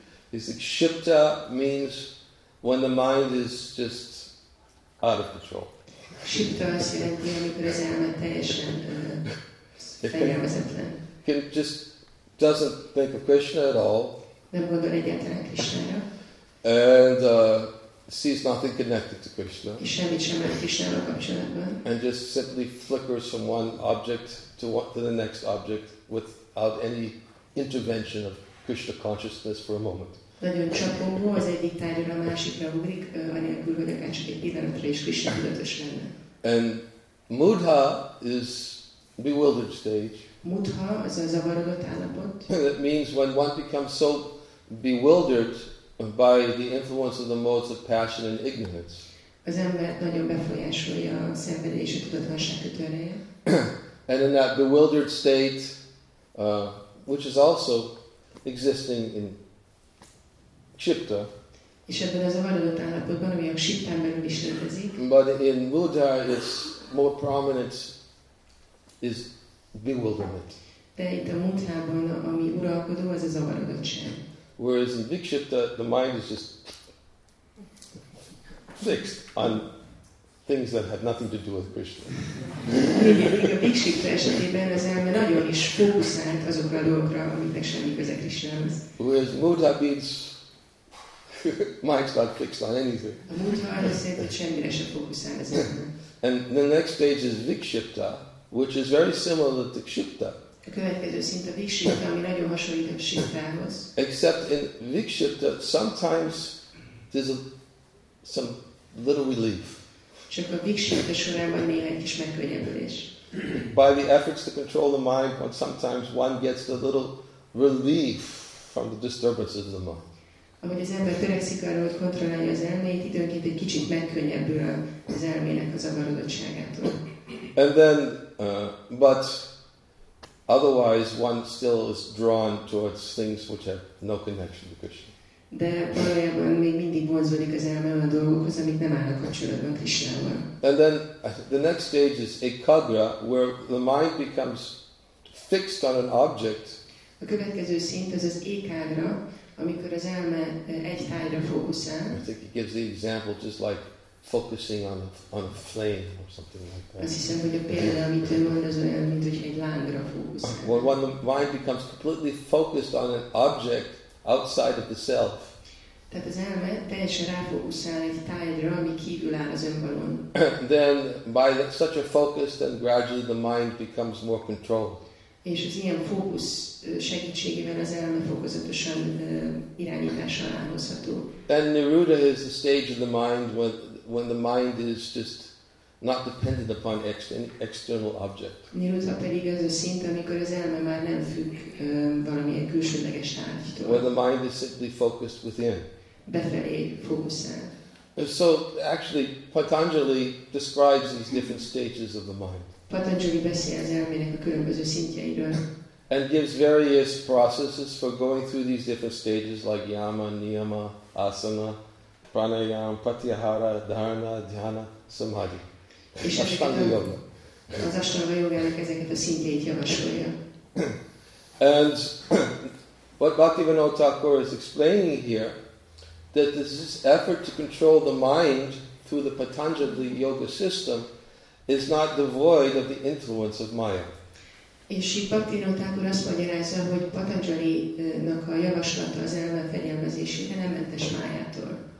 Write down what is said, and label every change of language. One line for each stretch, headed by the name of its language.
English: He's like, shipta means when the mind is just out of control.
Hungarian: Shipta azt jelenti, amikor az elme teljesen fegyelmezetlen.
English: Can just doesn't think of Krishna at all.
Hungarian: Nem gondol egyáltalán Krishnára.
English: And sees nothing connected to Krishna.
Hungarian: És semmit sem lát Krishnával kapcsolatban.
English: And just simply flickers from one object to the next object without any intervention of Krishna consciousness for a moment.
Hungarian: Nagyon csapongó, az egyik tárgyal a másikra ugrik, anélkül, hogy akár csak egy pillanatra is Krishna tudatos lenne.
English: And mudha is bewildered stage.
Hungarian: Mudha az a zavarodott állapot.
English: That means when one becomes so bewildered by the influence of the modes of passion and ignorance.
Hungarian: Az ember nagyon befolyásolja a szenvedés, a tudatlanság kötőereje.
English: And in that bewildered state, which is also existing in shipta.
Hungarian: És ebben a zavarodott állapotban, ami a shiptán belül is létezik.
English: But in mudha, it's more prominent. Is bewilderment.
Hungarian: De itt a mudhában, ami uralkodó, az a zavarodottság.
English: Whereas in vikshipta, the mind is just fixed on things that have nothing to do with Krishna.
Hungarian: A vikshipta esetében az elme nagyon is fókuszált azokra a dolgokra, amiknek semmi köze Krishnához.
English: Whereas mudha means mind's not fixed on anything.
Hungarian: A mudha arra szerint, hogy semmire sem fókuszál az elme.
English: And the next stage is vikshipta, which is very similar to Kshipta.
Hungarian: A következő szint a Vikshipta, ami nagyon hasonlít a Kshiptához.
English: Except in Vikshipta, sometimes there's some little relief.
Hungarian: Csak a Vikshipta során van néha egy kis megkönnyebbülés.
English: By the efforts to control the mind, but sometimes one gets a little relief from the disturbances of the mind.
Hungarian: Ahogy az ember törekszik arra, hogy kontrollálja az elmét, időnként egy kicsit megkönnyebbül az elmének a zavarodottságától.
English: And then but otherwise one still is drawn towards things which have no connection to Krishna.
Hungarian: De valójában még mindig vonzódik az elme a dolgokhoz, amik nem állnak kapcsolatban Krishnával.
English: And then the next stage is ekagra, where the mind becomes fixed on an object.
Hungarian: A következő szint az az ekagra, amikor az elme egy tájra fókuszál.
English: I think he gives the example just like focusing on a flame or something like that.
Hungarian: Azt hiszem, hogy a példa, amit ő mond, az olyan, mint hogyha egy lángra fókuszál.
English: Well, when the mind becomes completely focused on an object outside of the self.
Hungarian: Tehát az elme teljesen ráfókuszál egy tájra, ami kívül áll az önmagon.
English: Then, by such a focus, then gradually the mind becomes more controlled.
Hungarian: És az ilyen fókusz segítségével az elme fokozatosan irányítása alá hozható.
English: Then Niruda is the stage of the mind when the mind is just not dependent upon any external object.
Hungarian: Niruda pedig az a szint, amikor az elme már nem függ valamilyen külsődleges tárgytól.
English: When the mind is simply focused within.
Hungarian: Befelé fókuszál.
English: And so actually Patanjali describes these different stages of the mind.
Hungarian: Patanjali beszél az elmének a különböző szintjeiről.
English: And gives various processes for going through these different stages like yama, niyama, asana, pranayama, pratyahara, dharana, dhyana, samadhi.
Hungarian: És ashtanga yoga. Az ashtanga yogának ezeket a szintjeit javasolja.
English: And what Bhaktivinoda Thakur is explaining here, that this effort to control the mind through the Patanjali yoga system is not devoid of the influence of maya.
Hungarian: És itt Bhaktivinoda Thakur azt magyarázza, hogy Patanjali-nak a javaslata az elme fegyelmezésére nem mentes májától.